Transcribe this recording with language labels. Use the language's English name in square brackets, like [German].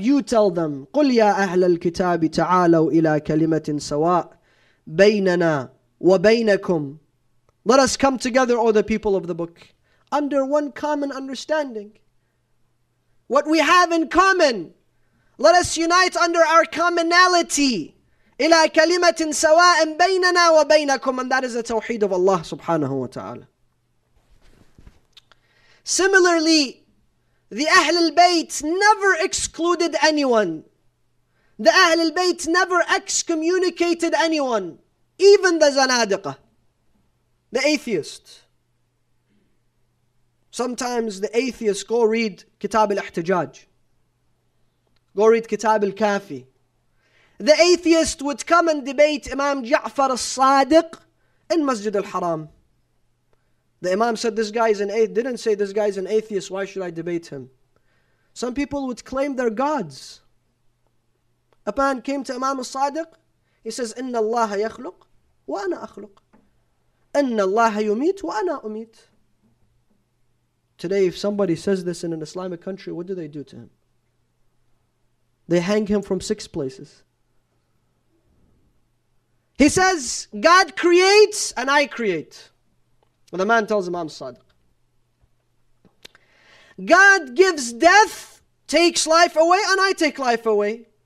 [English] You tell them, [Arabic] قُلْ يَا أَهْلَ الْكِتَابِ تَعَالَوْا إِلَىٰ كَلِمَةٍ سَوَاءٍ بَيْنَنَا وَبَيْنَكُمْ. [English] Let us come together, O the people of the book, under one common understanding. What we have in common, let us unite under our commonality. [Arabic] إِلَىٰ كَلِمَةٍ سَوَاءٍ بَيْنَنَا وَبَيْنَكُمْ. [English] And that is the tawheed of Allah subhanahu wa ta'ala. Similarly, the Ahlul Bayt never excluded anyone. The Ahlul Bayt never excommunicated anyone, even the Zanadiqah, the atheists. Sometimes the atheists go read Kitab al-Ihtijaj, go read Kitab al-Kafi. The atheist would come and debate Imam Ja'far al-Sadiq in Masjid al-Haram. The Imam said, this guy is an atheist. Didn't say, this guy is an atheist, why should I debate him? Some people would claim their gods. A man came to Imam al-Sadiq. He says, [Arabic] إِنَّ اللَّهَ يَخْلُقْ وَأَنَا أَخْلُقْ إِنَّ اللَّهَ يُمِيتْ وَأَنَا أُمِيتْ. [English] Today, if somebody says this in an Islamic country, what do they do to him? They hang him from six places. He says, God creates and I create. But the man tells Imam al-Sadiq, God gives death, takes life away, and I take life away.